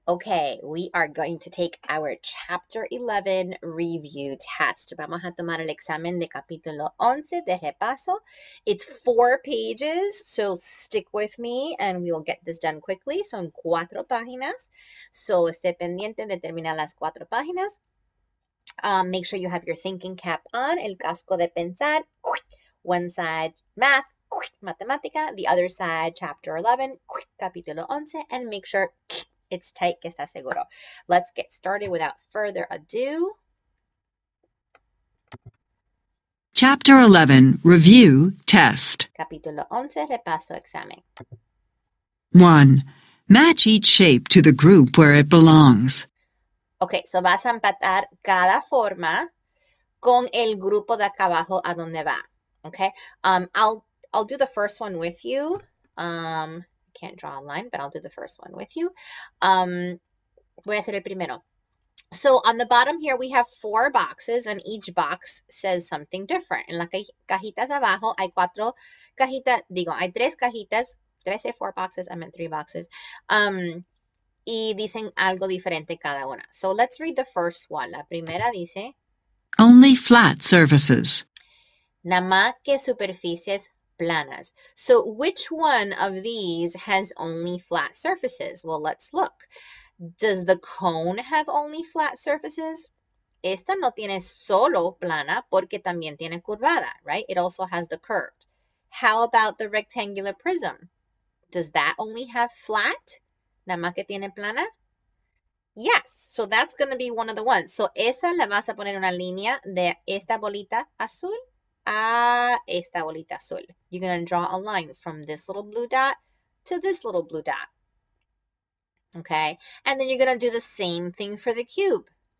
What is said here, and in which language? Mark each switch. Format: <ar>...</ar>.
<en>Okay, we are going to take our Chapter 11 review test.</en> <es>Vamos a tomar el examen de capítulo 11 de repaso.</es> <en>It's 4 pages, so stick with me and we'll get this done quickly.</en> <es>Son 4 páginas, so esté pendiente de terminar las 4 páginas.</es> <en>Make sure you have your thinking cap on,</en> <es>el casco de pensar.</es> <en>One side, math.</en> <es>Matemática,</es> <en>the other side, chapter 11,</en> <es>capítulo 11,</es> <en>and make sure it's tight,</en> <es>que está seguro.</es> <en>Let's get started without further ado. Chapter 11, review, test.</en> <es>Capítulo 11, repaso, examen.</es> <en>1. Match each shape to the group where it belongs.</en> <es>Okay, so vas a empatar cada forma con el grupo de acá abajo a donde va.</es> <en>Okay, I'll do the first one with you. Can't draw a line, but I'll do the first one with you.</en> <es>Voy a hacer el primero.</es> <en>So on the bottom here, we have 4 boxes, and each box says something different.</en> <es>En las cajitas abajo hay 4 cajitas. Digo, hay 3 cajitas.</es> <en>Did I say 4 boxes? I meant 3 boxes.</en> <es>Y dicen algo diferente cada una.</es> <en>So let's read the first one.</en> <es>La primera dice...</es> <en>Only flat surfaces.</en> <es>Nada más que superficies planas.</es> <en>So which one of these has only flat surfaces? Well, let's look. Does the cone have only flat surfaces?</en> <es>Esta no tiene solo plana porque también tiene curvada, right?</es> <en>It also has the curved. How about the rectangular prism? Does that only have flat?</en> <es>Nada más que tiene plana?</es> <en>Yes. So that's going to be one of the ones.</en> <es>So esa le vas a poner una línea de esta bolita azul. Esta bolita azul.</es> <en>You're going to draw a line from this little blue dot to this little blue dot. Okay? And then you're going to do the same thing for the cube.</en>